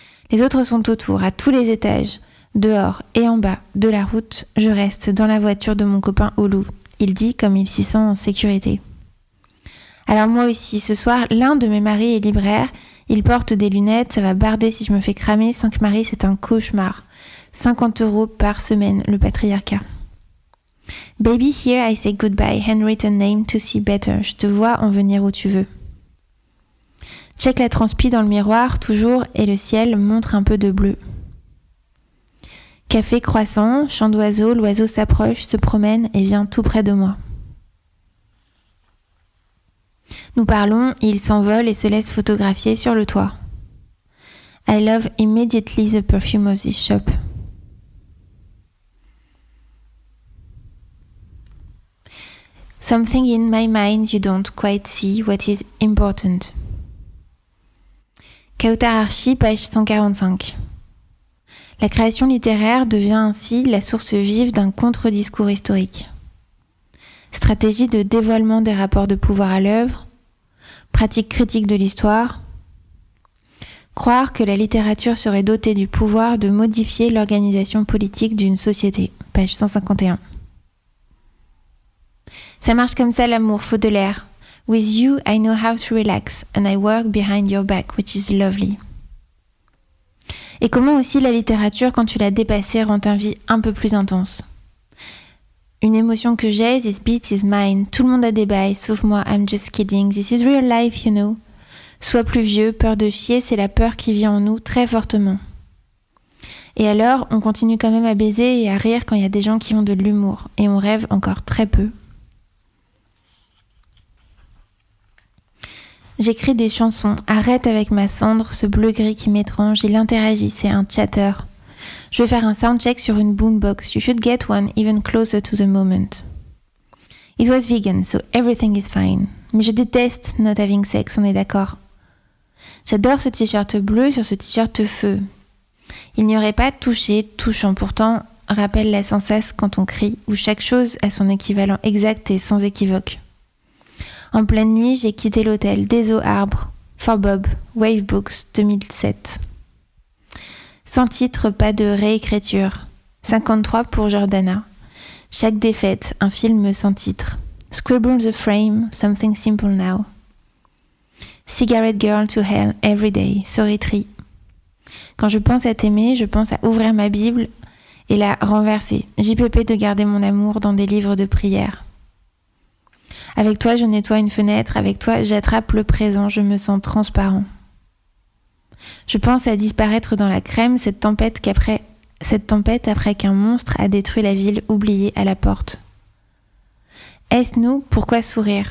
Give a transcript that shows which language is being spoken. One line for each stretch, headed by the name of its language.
French: Les autres sont autour, à tous les étages, dehors et en bas de la route, je reste dans la voiture de mon copain Oulu. Il dit comme il s'y sent en sécurité. Alors moi aussi, ce soir, l'un de mes maris est libraire, il porte des lunettes, ça va barder si je me fais cramer, 5 maris c'est un cauchemar. 50 euros par semaine, le patriarcat.
English: Baby, here I say goodbye, handwritten name to see better.
French: Je te vois en venir où tu veux. Check la transpi dans le miroir, toujours, et le ciel montre un peu de bleu. Café croissant, chant d'oiseau, l'oiseau s'approche, se promène et vient tout près de moi. Nous parlons, il s'envole et se laisse photographier sur le toit.
English: I love immediately the perfume of this shop. Something in my mind you don't quite see what is important.
French: Kauta Archi, page 145. La création littéraire devient ainsi la source vive d'un contre-discours historique. Stratégie de dévoilement des rapports de pouvoir à l'œuvre, pratique critique de l'histoire. Croire que la littérature serait dotée du pouvoir de modifier l'organisation politique d'une société, page 151. Ça marche comme ça l'amour, faut de l'air.
English: With you, I know how to relax, and I work behind your back, which is lovely.
French: Et comment aussi la littérature, quand tu l'as dépassée, rend ta vie un peu plus intense. Une émotion que j'ai,
English: this beat is mine,
French: tout le monde a des bails, sauf moi,
English: I'm just kidding, this is real life, you know.
French: Sois plus vieux, peur de chier, c'est la peur qui vit en nous très fortement. Et alors, on continue quand même à baiser et à rire quand il y a des gens qui ont de l'humour, et on rêve encore très peu. J'écris des chansons. Arrête avec ma cendre, ce bleu-gris qui m'étrange. Il interagit, c'est un chatter. Je vais faire un soundcheck sur une boombox.
English: You should get one even closer to the moment. It was vegan, so everything is fine.
French: Mais je déteste
English: not having sex,
French: on est d'accord. J'adore ce t-shirt bleu sur ce t-shirt feu. Il n'y aurait pas touché, touchant pourtant, rappelle la sensace quand on crie, où chaque chose a son équivalent exact et sans équivoque. En pleine nuit, j'ai quitté l'hôtel des eaux arbres, For Bob, Wavebooks, 2007. Sans titre, pas de réécriture. 53 pour Jordana. Chaque défaite, un film sans titre.
English: Scribble the frame, something simple now. Cigarette girl to hell, every day, sorry tree.
French: Quand je pense à t'aimer, je pense à ouvrir ma Bible et la renverser. JPP de garder mon amour dans des livres de prière. Avec toi, je nettoie une fenêtre. Avec toi, j'attrape le présent. Je me sens transparent. Je pense à disparaître dans la crème, cette tempête après qu'un monstre a détruit la ville oubliée à la porte. Est-ce nous? Pourquoi sourire?